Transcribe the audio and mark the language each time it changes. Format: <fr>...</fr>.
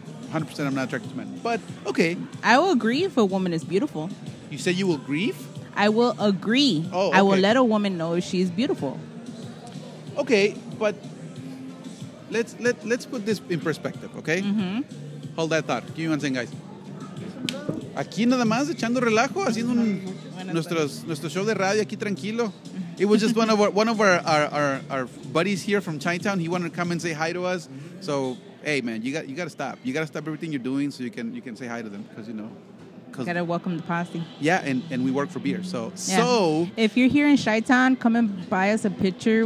<en>100% I'm not attracted to men. But okay. I will agree if a woman is beautiful. You say you will grieve? I will agree. Oh, okay. I will let a woman know if she's beautiful. Okay, but let's put this in perspective, okay? Mm-hmm. Hold that thought. Give me one thing, guys.</en> <es>Aquí nada más echando relajo, haciendo nuestro show de radio aquí tranquilo.</es> <en>It was just one of our buddies here from Chinatown. He wanted to come and say hi to us. So, hey, man, you got to stop. You got to stop everything you're doing so you can say hi to them because, you know. Gotta welcome the posse. Yeah, and we work for beer. So, yeah. So if you're here in Chi-Town, come and buy us a pitcher.</en>